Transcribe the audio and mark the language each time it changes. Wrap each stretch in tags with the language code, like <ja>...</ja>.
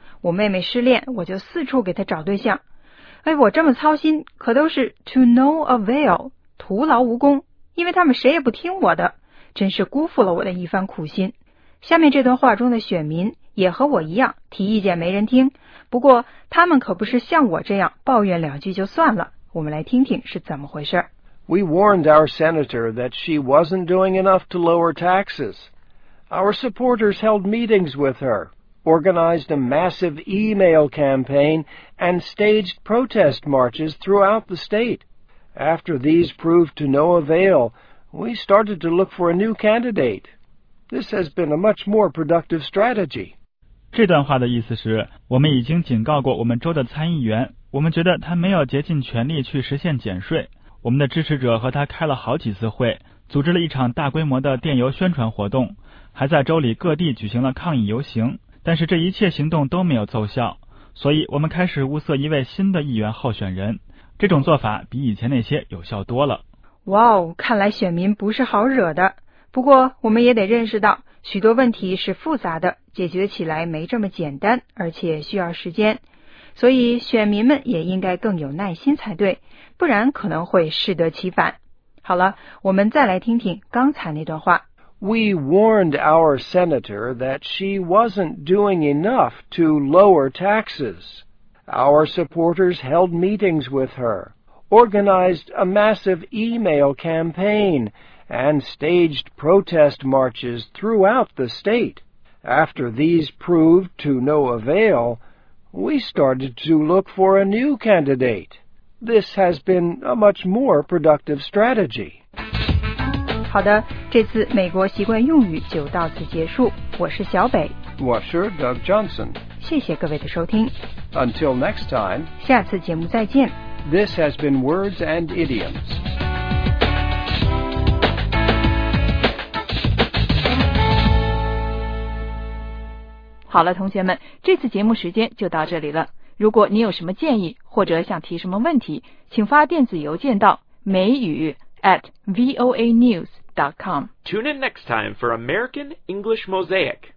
<zh>我妹妹失恋，我就四处给她找对象。哎，我这么操心可都是 to no avail, 徒劳无功，因为他们谁也不听我的，真是辜负了我的一番苦心。下面这段话中的选民也和我一样，提意见没人听，不过他们可不是像我这样抱怨两句就算了，我们来听听是怎么回事。</zh> <en>We warned our senator that she wasn't doing enough to lower taxes. Our supporters held meetings with her, organized a massive email campaign, and staged protest marches throughout the state. After these proved to no avail, we started to look for a new candidate. This has been a much more productive strategy.</en> <zh>这段话的意思是，我们已经警告过我们州的参议员，我们觉得他没有竭尽全力去实现减税。我们的支持者和他开了好几次会，组织了一场大规模的电邮宣传活动，还在州里各地举行了抗议游行，但是这一切行动都没有奏效，所以我们开始物色一位新的议员候选人。这种做法比以前那些有效多了。哇哦，看来选民不是好惹的。不过我们也得认识到，许多问题是复杂的，解决起来没这么简单，而且需要时间，所以选民们也应该更有耐心才对，不然可能会适得其反。好了，我们再来听听刚才那段话。</zh> <en>We warned our senator that she wasn't doing enough to lower taxes. Our supporters held meetings with her, organized a massive email campaignand staged protest marches throughout the state. After these proved to no avail, we started to look for a new candidate. This has been a much more productive strategy.</en> <zh>好的，这次美国习惯用语就到此结束。我是小北。我是 Doug Johnson。谢谢各位的收听。</zh> <en>Until next time.</en> <zh>下次节目再见。</zh> <en>This has been Words and Idioms.</en> <zh>好了，同学们，这次节目时间就到这里了。如果你有什么建议或者想提什么问题，请发电子邮件到美语@voanews.com.</zh> <en>Tune in next time for American English Mosaic.</en>